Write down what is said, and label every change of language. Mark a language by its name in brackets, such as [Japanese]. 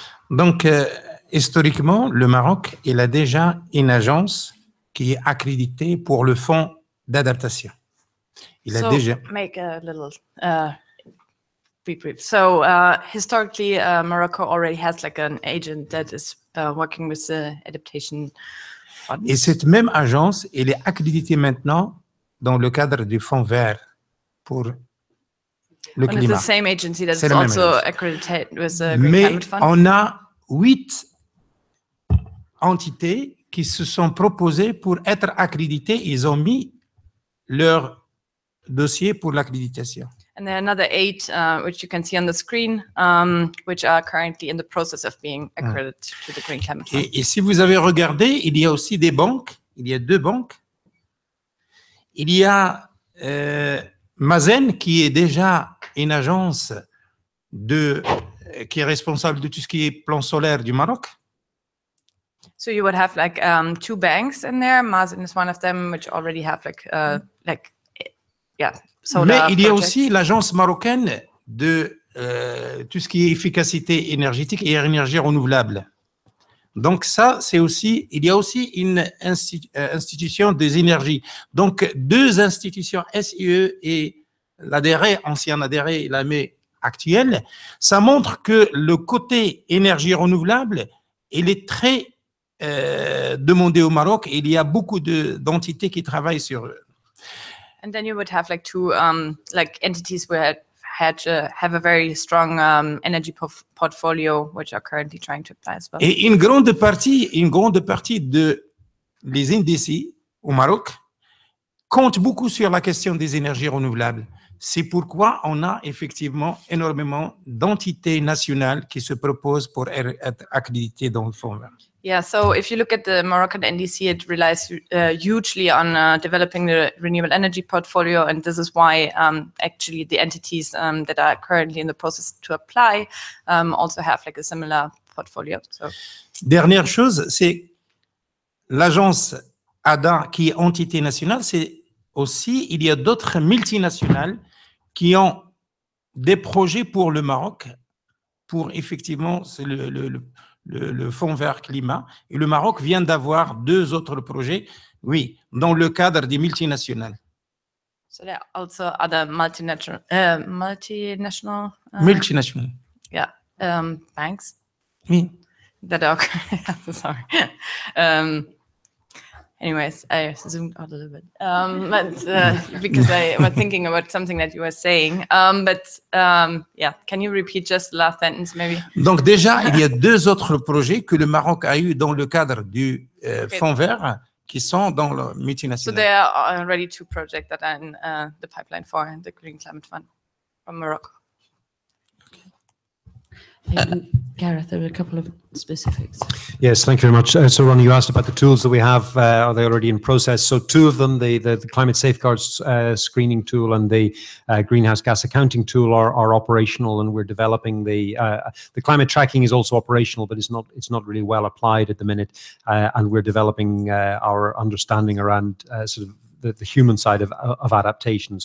[French] Donc, historiquement, le Maroc, il a déjà une agence qui est accréditée pour le fonds d'adaptation. Il a déjà. [English] So, make a little brief. So, historically, Morocco already has like an agent that is working with the adaptation fund. [French] Et cette même agence, elle est accréditée maintenant dans le cadre du fonds vert pour. [English] It's the same agency that's also agency. Accredited with the Green [French] Mais [English] Climate Fund. [French] On a 8 entités qui se sont proposées pour être accréditées. Ils ont mis leur dossier pour l'accréditation. [English] And then another 8, which you can see on the screen, which are currently in the process of being accredited to the Green Climate Fund. [French] Et si vous avez regardé, il y a aussi des banques. Il y a deux banques. Il y a Mazen, qui est déjà une agence de qui est responsable de tout ce qui est plan solaire du Maroc. [English] So you would have like two banks in there. Mazen is one of them, which already have like solar. [French] Mais il [English] projects. [French] Y a aussi l'agence marocaine de tout ce qui est efficacité énergétique et énergie renouvelable. Donc ça, c'est aussi il y a aussi une institution des énergies. Donc deux institutions SIE et l'adhéré, ancien adhéré, l'AME actuel, ça montre que le côté énergie renouvelable, il est très demandé au Maroc. Il y a beaucoup d'entités qui travaillent sur eux. [English] And then you would have like two entities where have a very strong energy portfolio, which are currently trying to apply as well. [French] Et une grande partie de les indices au Maroc compte beaucoup sur la question des énergies renouvelables. C'est pourquoi on a effectivement énormément d'entités nationales qui se proposent pour être accréditées dans le fonds vert. [English] Yeah, so if you look at the Moroccan NDC, it relies hugely on developing the renewable energy portfolio, and this is why actually the entities that are currently in the process to apply also have like a similar portfolio. So. [French] Dernière chose, c'est l'agence ADA qui est entité nationale, c'est aussi, il y a d'autres multinationales qui ont des projets pour le Maroc, pour effectivement, c'est le Fonds vert climat, et le Maroc vient d'avoir deux autres projets, oui, dans le cadre des multinationales. [English] So there are also other multinational... multinational. Yeah, banks. [French] Oui. [English] That are... sorry. Anyways, I zoomed out a little bit, because I was thinking about something that you were saying. But can you repeat just the last sentence, maybe? [French] Donc déjà, il y a deux autres projets que le Maroc a eu dans le cadre du Fonds vert qui sont dans le multinational. [English] So there are already two projects that are in the pipeline for the Green Climate Fund from Morocco. Okay. Gareth, there are a couple of specifics. Yes, thank you very much. So, Ronnie, you asked about the tools that we have. Are they already in process? So, two of them, the climate safeguards screening tool and the greenhouse gas accounting tool, are operational, and we're developing the climate tracking is also operational, but it's not really well applied at the minute, and we're developing our understanding around sort of the human side of adaptation.